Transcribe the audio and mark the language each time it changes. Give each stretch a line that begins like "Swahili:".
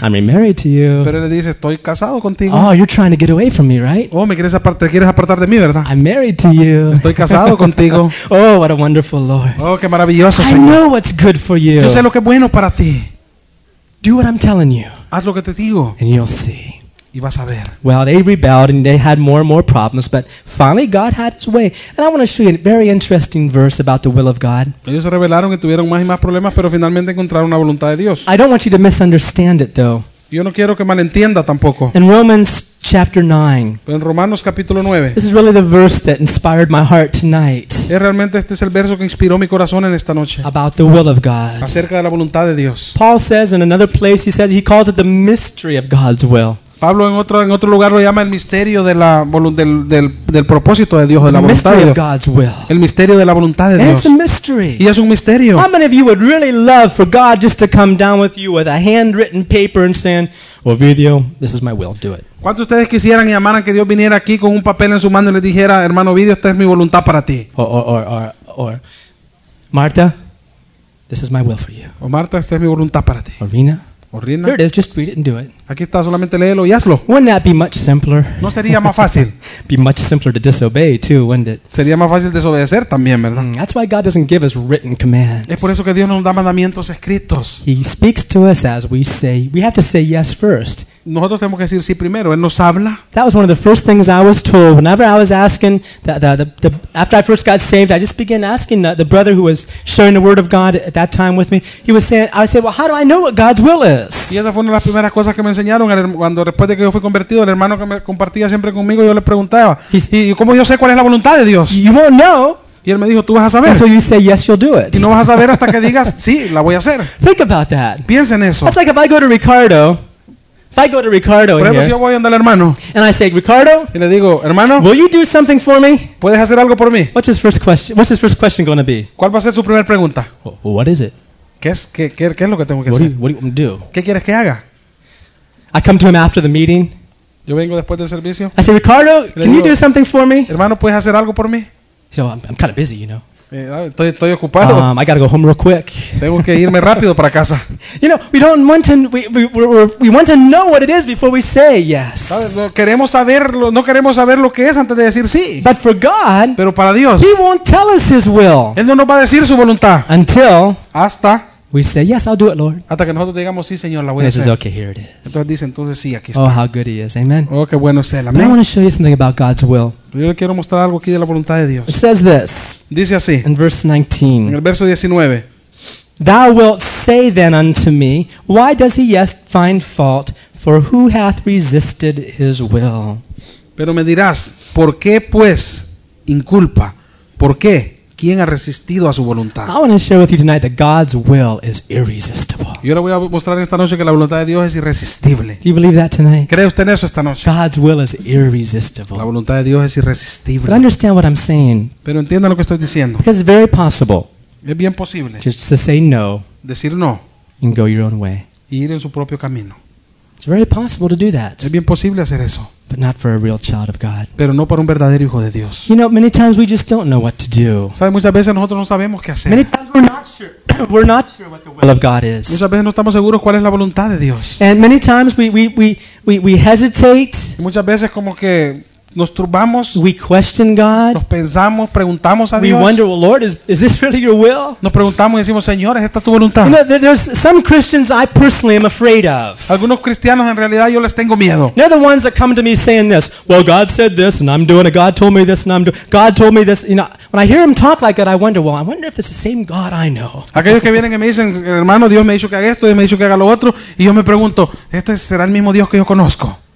English: I'm remarried to you.
Spanish: Pero él le dice, estoy casado contigo.
English: Oh, you're trying to get away from me, right?
Spanish: Oh, te quieres apartar de mí, ¿verdad?
English: I'm married to you.
Spanish: Estoy casado contigo.
English: Oh, what a wonderful Lord.
Spanish: Oh, qué maravilloso Señor.
English: I know what's good for you.
Spanish: Yo sé lo que es bueno para ti.
English: Do what I'm telling you.
Spanish: Haz lo que te digo.
English: And you'll see.
Spanish: Y vas a ver.
English: Well, they rebelled and they had more and more problems, but finally God had his way. And I want to show you a very interesting verse about the will of God.
Spanish: Ellos se rebelaron y tuvieron más y más problemas, pero finalmente encontraron la voluntad de Dios.
English: I don't want you to misunderstand it though.
Spanish: Yo no quiero que malentienda tampoco.
English: In Romans chapter 9.
Spanish: En Romanos capítulo 9.
English: This is really the verse that inspired my heart tonight.
Spanish: Es realmente este es el verso que inspiró mi corazón en esta noche.
English: About the will of God.
Spanish: Acerca de la voluntad de Dios.
English: Paul says in another place, he says he calls it the mystery of God's will.
Spanish: Pablo en otro lugar lo llama el misterio de la del propósito de Dios, de la voluntad de Dios. El misterio de la voluntad de Dios.
English: It's a mystery.
Spanish: Y es un misterio.
English: How many of you would really love for God just to come down with you with a handwritten paper and saying, "Well, Ovidio, this is my will. Do it."
Spanish: ¿Cuántos de ustedes quisieran y amaran que Dios viniera aquí con un papel en su mano y les dijera, "Hermano Ovidio, esta es mi voluntad para ti"?
English: Or Marta, this is my will for you.
Spanish: O Marta, esta es mi voluntad para ti.
English: Orvina.
Spanish: Orrina.
English: Here it is, just read it and do it.
Spanish: Aquí está, solamente léelo y hazlo.
English: Wouldn't that be much simpler?
Spanish: No sería más fácil.
English: Be much simpler to disobey too, wouldn't it?
Spanish: Sería más fácil desobedecer también, ¿verdad?
English: That's why God doesn't give us written commands.
Spanish: Es por eso que Dios no nos da mandamientos escritos.
English: He speaks to us as we say. We have to say yes first.
Spanish: Nosotros tenemos que decir sí primero. Él nos habla.
English: That was one of the first things I was told. Whenever I was asking, the after I first got saved, I just began asking the brother who was sharing the word of God at that time with me. He was saying, I said, "Well, how do I know what God's will is?"
Spanish: Y esa fue una de las primeras cosas que me enseñaron cuando después de que yo fui convertido, el hermano que me compartía siempre conmigo, yo le preguntaba, ¿y cómo yo sé cuál es la voluntad de Dios?
English: You won't know.
Spanish: Y él me dijo, tú vas a saber.
English: So you say, yes, you'll do it.
Spanish: Y no vas a saber hasta que digas, sí, la voy a hacer.
English: Think about that.
Spanish: Piensa en eso.
English: That's like if I go to Ricardo. If I go to Ricardo,
Spanish: por ejemplo,
English: here,
Spanish: si yo voy donde el hermano,
English: and I say, Ricardo,
Spanish: y le digo, hermano,
English: will you do something for me?
Spanish: ¿Puedes hacer algo por mí?
English: What's his first question? What's his first question going to be?
Spanish: ¿Cuál va a ser su primera pregunta?
English: What is it?
Spanish: ¿Qué es lo que tengo que
English: what
Spanish: hacer?
English: Do you, what do you want me to do?
Spanish: ¿Qué quieres que haga?
English: I come to him after the meeting.
Spanish: Yo vengo después del servicio.
English: I say, Ricardo, can you do something for me?
Spanish: Hermano, ¿puedes hacer algo por mí?
English: So I'm kind of busy, you know.
Spanish: Estoy ocupado.
English: I gotta go home real quick.
Spanish: Tengo que irme rápido para casa.
English: You know, we don't want to we want to know what it is before we say yes.
Spanish: No queremos saber lo que es antes de decir sí.
English: But for God,
Spanish: pero para Dios,
English: he won't tell us his will.
Spanish: Él no nos va a decir su voluntad.
English: Until
Spanish: hasta
English: we say yes, I'll do it, Lord.
Spanish: Hasta que nosotros digamos sí, Señor, la voy a hacer.
English: He says, okay, here it is.
Spanish: Entonces dice, entonces sí, aquí está.
English: Oh, how good he is. Amen.
Spanish: Oh, qué bueno es él. Amén.
English: I want to show you something about God's will.
Spanish: Yo le quiero mostrar algo aquí de la voluntad de Dios.
English: It says this.
Spanish: Dice así.
English: In verse 19.
Spanish: En el verso 19.
English: Thou wilt say then unto me, why does he yet find fault? For who hath resisted his will?
Spanish: Pero me dirás, ¿por qué pues inculpa? ¿Por qué? ¿Quién ha resistido a su voluntad?
English: I want to share with you tonight that God's will is irresistible.
Spanish: Yo le voy a mostrar esta noche que la voluntad de Dios es irresistible.
English: Do you believe that tonight?
Spanish: ¿Cree usted en eso esta noche?
English: God's will is irresistible.
Spanish: La voluntad de Dios es irresistible.
English: But understand what I'm saying.
Spanish: Pero entienda lo que estoy diciendo.
English: Because it's very possible.
Spanish: Es bien posible.
English: Just to say no.
Spanish: Decir no.
English: And go your own way.
Spanish: Y ir en su propio camino.
English: It's very possible to do that.
Spanish: Es bien posible hacer eso.
English: But not for a real child of God.
Spanish: Pero no para un verdadero hijo de Dios.
English: You know, many times we just don't know what to do.
Spanish: ¿Sabe? Muchas veces nosotros no sabemos qué hacer.
English: Many times we're not sure what the will of God is.
Spanish: Muchas veces no estamos seguros cuál es la voluntad de Dios.
English: And many times we hesitate.
Spanish: Y muchas veces como que nos turbamos.
English: We question God.
Spanish: Nos pensamos, preguntamos a
English: we
Spanish: Dios.
English: We wonder, well, Lord, is this really your will?
Spanish: Nos preguntamos y decimos, Señor, ¿es esta tu voluntad?
English: You know, there's some Christians I personally am afraid of.
Spanish: Algunos cristianos en realidad yo les tengo miedo.
English: They're the ones that come to me saying this. Well, God said this and I'm doing it. God told me this and I'm doing it. God told me this. You know, when I hear him talk like that, I wonder if it's the same God I know.
Spanish: Aquellos que vienen y me dicen, hermano, Dios me ha dicho que haga esto, Dios me ha dicho que haga lo otro, y yo me pregunto, ¿esto será el mismo Dios que yo conozco?